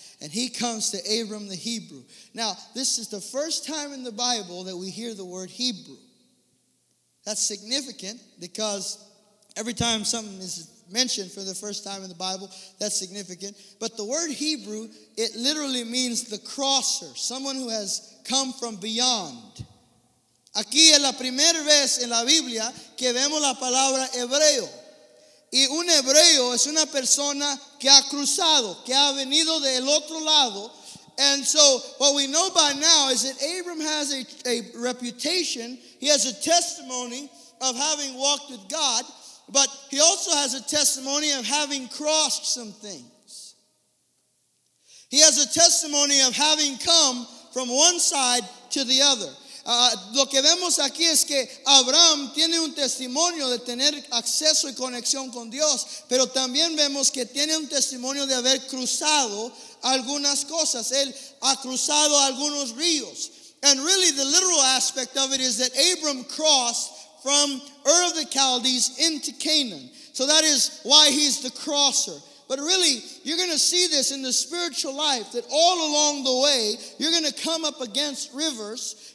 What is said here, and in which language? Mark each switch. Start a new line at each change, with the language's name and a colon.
English: And he comes to Abram the Hebrew. Now, this is the first time in the Bible that we hear the word Hebrew. That's significant, because every time something is mentioned for the first time in the Bible, that's significant. But the word Hebrew, it literally means the crosser, someone who has come from beyond.
Spanish: Aquí es la primera vez en la Biblia que vemos la palabra hebreo. Y un hebreo es una persona que ha cruzado, que ha venido del otro lado.
English: And so what we know by now is that Abram has a reputation, he has a testimony of having walked with God, but he also has a testimony of having crossed some things. He has a testimony of having come from one side to the other.
Spanish: Lo que vemos aquí es que Abraham tiene un testimonio de tener acceso y conexión con Dios, pero también vemos que tiene un testimonio de haber cruzado algunas cosas. Él ha cruzado algunos ríos.
English: And really the literal aspect of it is that Abram crossed from Ur of the Chaldees into Canaan. So that is why he's the crosser. But really, you're going to see this in the spiritual life, that all along the way, you're going to come up against rivers.